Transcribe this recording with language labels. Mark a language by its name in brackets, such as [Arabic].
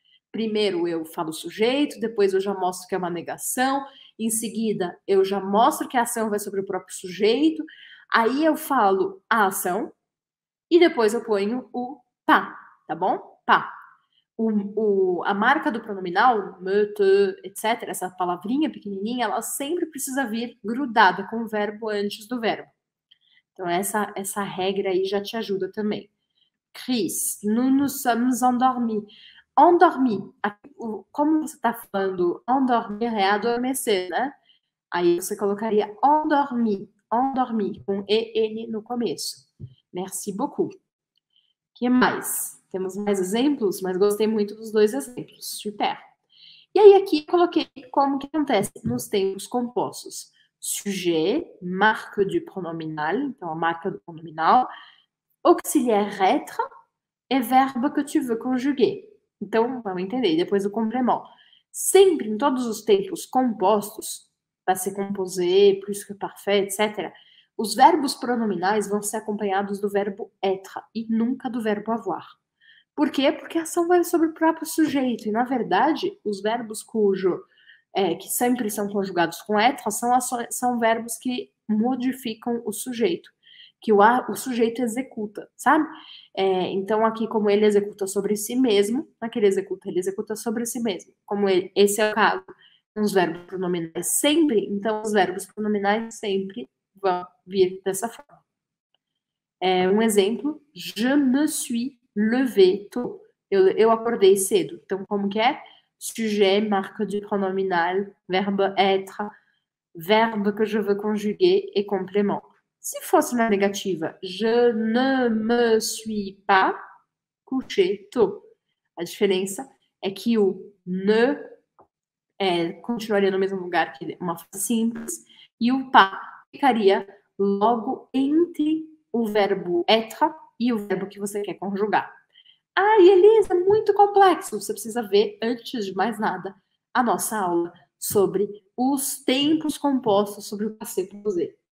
[Portuguese] Primeiro eu falo o sujeito, depois eu já mostro que é uma negação, em seguida eu já mostro que a ação vai sobre o próprio sujeito, aí eu falo a ação e depois eu ponho o pa, tá bom? Pa. A marca do pronominal, möchte, etc., essa palavrinha pequenininha, ela sempre precisa vir grudada com o verbo antes do verbo. Então, essa regra aí já te ajuda também. [French] Chris, nous nous sommes endormis. [Portuguese] Endormi, como você está falando, endormir é adormecer, né? Aí você colocaria endormi, endormi, com E-N no começo. [French] Merci beaucoup. [Portuguese] Que mais? Temos mais exemplos, mas gostei muito dos dois exemplos, super. E aí aqui coloquei como que acontece nos tempos compostos. [French] Sujet, marque du pronominal, [Portuguese] então a marca do pronominal. [French] Auxiliaire être et verbe que tu veux conjuguer. [Portuguese] Então, vamos entender, depois o complemento. Sempre, em todos os tempos compostos, para se composer, plus que parfait, etc., os verbos pronominais vão ser acompanhados do verbo être e nunca do verbo avoir. Por quê? Porque a ação vai sobre o próprio sujeito. E, na verdade, os verbos que sempre são conjugados com être são verbos que modificam o sujeito. Que o sujeito executa, sabe? Então, aqui, como ele executa sobre si mesmo, naquele executa, ele executa sobre si mesmo. Como ele, esse é o caso com os verbos pronominais sempre, então os verbos pronominais sempre vão vir dessa forma. Um exemplo: [French] Je me suis levé tôt. [Portuguese] Eu acordei cedo. Então, como que é? [French] Sujet, marque du pronominal, verbe être, verbe que je veux conjuguer [Portuguese] e complément. Se fosse na negativa, [French] je ne me suis pas couché tôt. [Portuguese] A diferença é que o ne continuaria no mesmo lugar que uma frase simples e o pas ficaria logo entre o verbo être e o verbo que você quer conjugar. Ah, Elisa, muito complexo. Você precisa ver, antes de mais nada, a nossa aula sobre os tempos compostos sobre o passé composé.